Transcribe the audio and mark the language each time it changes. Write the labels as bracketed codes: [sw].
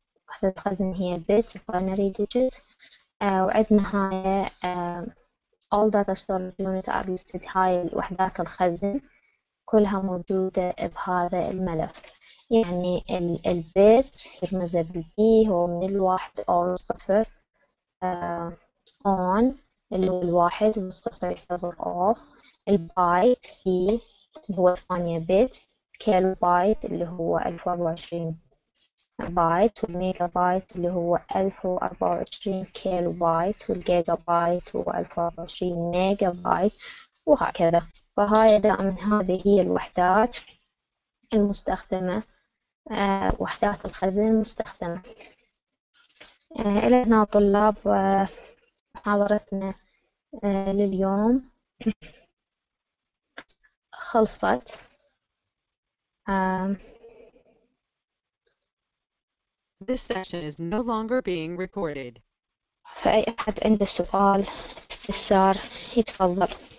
[ar] وحدة الخزن هي bit binary digit. وعندنا هاي [en] all data storage units are listed. [ar] هاي الوحدات الخزن كلها موجودة بهذا الملف. يعني البيت يرمز بالبي هو من الواحد أو الصفر، on اللي هو الواحد والصفر يعتبر off، البايت بي اللي هو ثمانية بيت، كيلو بايت اللي هو 1024 بايت، والميجا بايت اللي هو 1024 كيلو بايت، والجيجا بايت هو 1024 ميجا بايت، وهكذا. فهاي دائما هذه هي الوحدات المستخدمة، وحدات الخزن المستخدمة. إلى هنا طلاب محاضرتنا لليوم خلصت. [en] This session is no longer being recorded. [ar] فأي أحد عنده سؤال استفسار يتفضل.